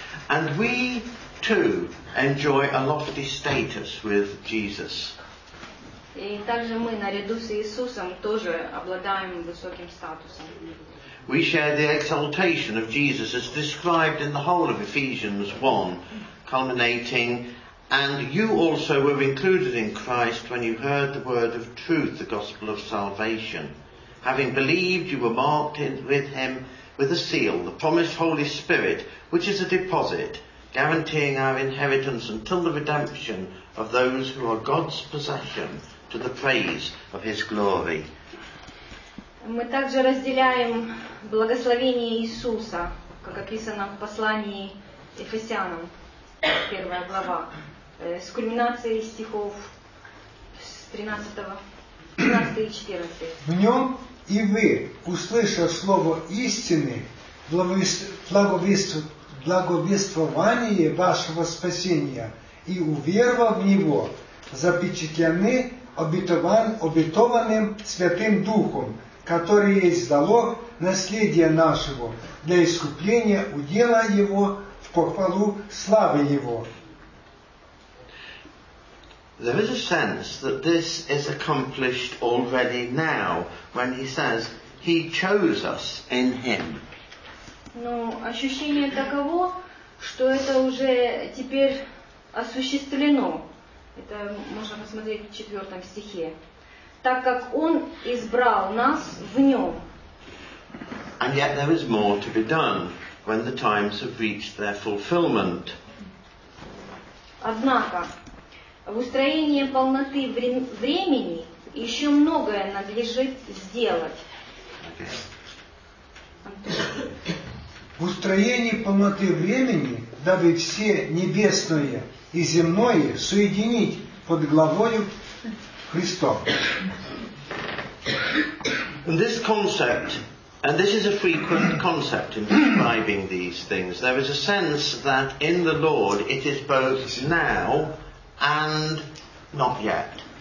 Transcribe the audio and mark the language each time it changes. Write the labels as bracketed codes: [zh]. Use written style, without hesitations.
[en] And we too enjoy a lofty status with Jesus. [ru] И также мы наряду с Иисусом тоже обладаем высоким статусом. [en] We share the exaltation of Jesus as described in the whole of Ephesians 1, culminating And you also were included in Christ when you heard the word of truth, the gospel of salvation. Having believed, you were marked in with him with a seal, the promised Holy Spirit, which is a deposit, guaranteeing our inheritance until the redemption of those who are God's possession to the praise of his glory. [ru] Мы также разделяем благословение Иисуса, как описано в послании Ефесянам, первая глава, с кульминацией стихов с 13 и 14. В нем и вы, услышав слово истины, благовествование вашего спасения, и уверовав в него, запечатлены обетованным Святым Духом, который есть залог наследия нашего для искупления удела его в похвалу славы его. [en] There is a sense that this is accomplished already now when he says he chose us in him. [ru] Но ощущение таково, что это уже теперь осуществлено. Это можно посмотреть в 4 стихе. Так как он избрал нас в нем. [en] And yet there is more to be done when the times have reached their fulfillment. [ru] Однако в устроении полноты времени еще многое надлежит сделать. В устроении полноты времени, дабы все небесное и земное соединить под главою Христом. [en] And this concept, and this is a frequent concept in describing these things, there is a sense that in the Lord it is both now and not yet.